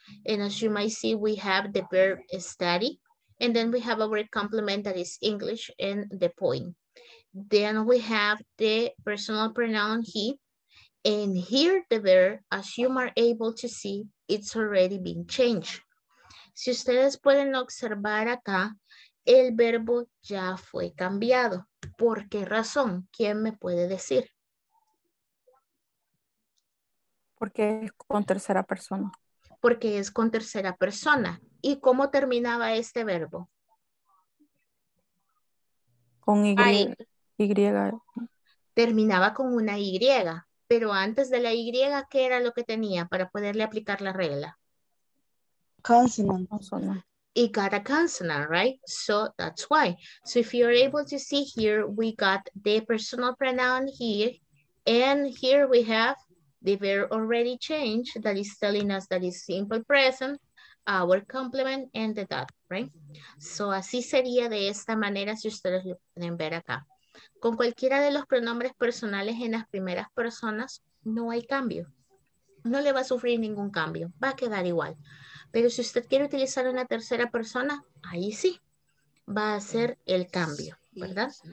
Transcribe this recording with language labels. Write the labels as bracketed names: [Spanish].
[English] And as you might see, we have the verb study. And then we have our complement that is English and the point. Then we have the personal pronoun he. And here the verb, as you are able to see, it's already been changed. [Spanish] Si ustedes pueden observar acá, el verbo ya fue cambiado. ¿Por qué razón? ¿Quién me puede decir? Porque es con tercera persona. Porque es con tercera persona. ¿Y cómo terminaba este verbo? Con Y. Terminaba con una Y. Pero antes de la Y, ¿qué era lo que tenía para poderle aplicar la regla? [English] Consonant. It got a consonant, right? So that's why. So if you're able to see here, we got the personal pronoun here. And here we have the verb already changed that is telling us that it's simple present, our complement, and the dot, right? [Spanish] So así sería de esta manera si ustedes lo pueden ver acá. Con cualquiera de los pronombres personales en las primeras personas, no hay cambio. No le va a sufrir ningún cambio, va a quedar igual. Pero si usted quiere utilizar una tercera persona, ahí sí, va a hacer el cambio, ¿verdad?